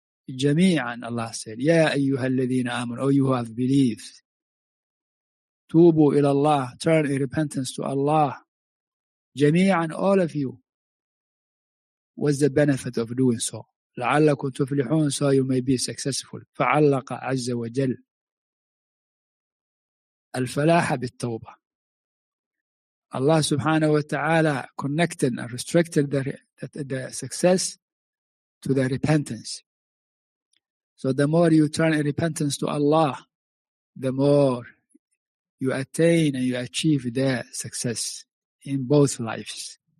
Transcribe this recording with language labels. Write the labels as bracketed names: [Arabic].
[Arabic] جميعاً, [English] Allah said, [Arabic] يا أيها الذين آمنوا, [English] oh, you who have believed, [Arabic] توبوا إلى الله, [English] turn in repentance to Allah. [Arabic] جميعاً, [English] all of you, what's the benefit of doing so? [Arabic] لعلكم تفلحون, [English] so you may be successful. [Arabic] فعلق عز وجل الفلاح بالتوبة. [English] Allah subhanahu wa ta'ala connected and restricted the success to the repentance. So the more you turn in repentance to Allah, the more you attain and you achieve the success in both lives.